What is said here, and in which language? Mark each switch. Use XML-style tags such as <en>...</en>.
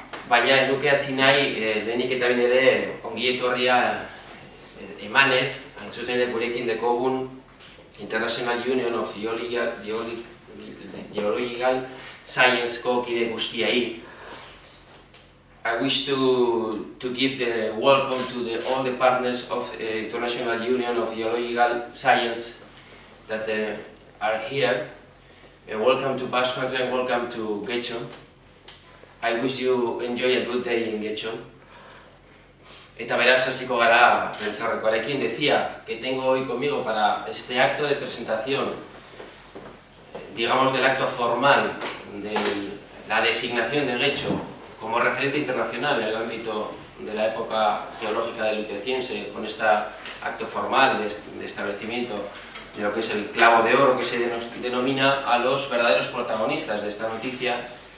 <eu>Baina ez nuke hasi nahi lehenik eta behin ere ongi etorria emanez, hain zuzen ere gurekin dekogun International Union of Geological Science-ko kide guztiai.</eu> <en>I wish to give the welcome to the all the partners of the International Union of Geological Science that are here. Welcome to Basque Country and welcome to Getxo. I wish you enjoy a good day in Getxo.</en> <eu>Eta beraz hasiko gara prentzaurrekoarekin.</eu> <es>Decía que tengo hoy conmigo para este acto de presentación, digamos del acto formal de la designación de Getxo como referente internacional en el ámbito de la época geológica del Lutreciense, con este acto formal de establecimiento de lo que es el clavo de oro que se denomina a los verdaderos protagonistas de esta noticia.</es>